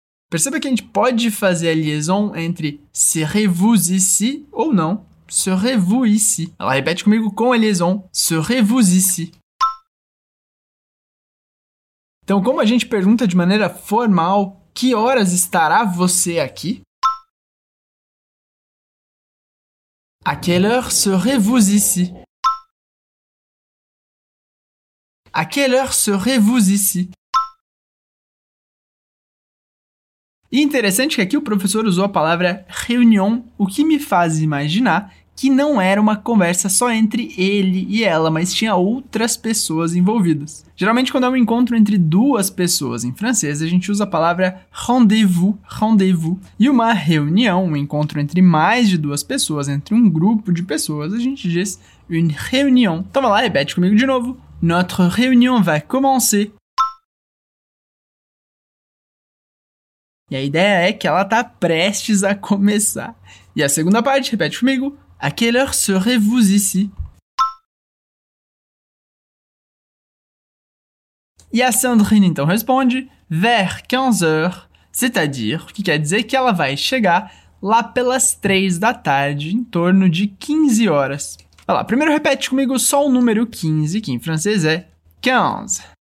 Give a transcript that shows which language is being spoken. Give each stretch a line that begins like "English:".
Portuguese: Perceba que a gente pode fazer a liaison entre
French: serez-vous ici
Portuguese: ou não.
French: Serez-vous ici?
Portuguese: Ela repete comigo com a liaison. Serez-vous ici? Então, como a gente pergunta de maneira formal, que horas estará você aqui?
French: À quelle heure serez-vous ici? À quelle heure serez-vous ici?
Portuguese: E interessante que aqui o professor usou a palavra réunion, o que me faz imaginar que não era uma conversa só entre ele e ela, mas tinha outras pessoas envolvidas. Geralmente, quando é um encontro entre duas pessoas em francês, a gente usa a palavra rendez-vous, rendez-vous. E uma reunião, um encontro entre mais de duas pessoas, entre um grupo de pessoas, a gente diz une réunion. Então, vai lá, repete comigo de novo.
French: Notre réunion va commencer.
Portuguese: E a ideia é que ela está prestes a começar. E a segunda parte, repete comigo.
French: À quelle heure serez-vous ici?
Portuguese: E a Sandrine então responde.
French: Vers 15h. C'est-à-dire,
Portuguese: o que quer dizer que ela vai chegar lá pelas 3 da tarde, em torno de 15 horas. Olha lá, primeiro repete comigo só o número 15, que em francês é 15.